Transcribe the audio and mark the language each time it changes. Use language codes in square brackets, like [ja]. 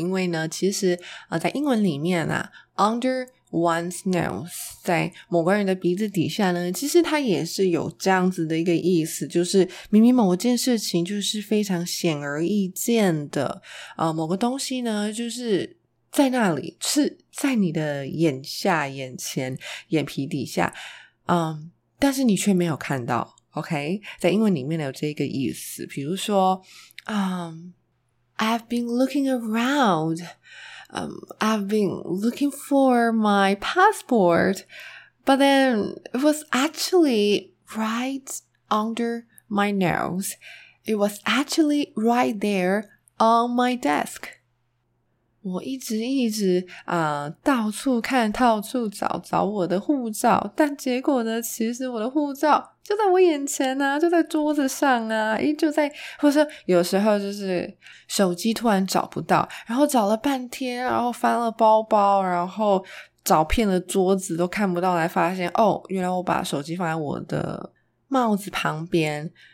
[zh] 因为呢其实在英文里面啊 [en] under one's nose, [zh] 在某个人的鼻子底下呢，其实它也是有这样子的一个意思，就是明明某件事情就是非常显而易见的某个东西呢就是在那里，是在你的眼下、眼前、眼皮底下但是你却没有看到。 [en] OK, [zh] 在英文里面有这个意思，比如说 [en] I've been looking aroundI've been looking for my passport, but then it was actually right under my nose. It was actually right there on my desk. [zh] 我一直到处看，到处找，找我的护照，但结果呢，其实我的护照就在我眼前啊，就在桌子上啊，就在，或者有时候就是手机突然找不到，然后找了半天，然后翻了包包，然后找遍了桌子都看不到，来发现哦，原来我把手机放在我的帽子旁边，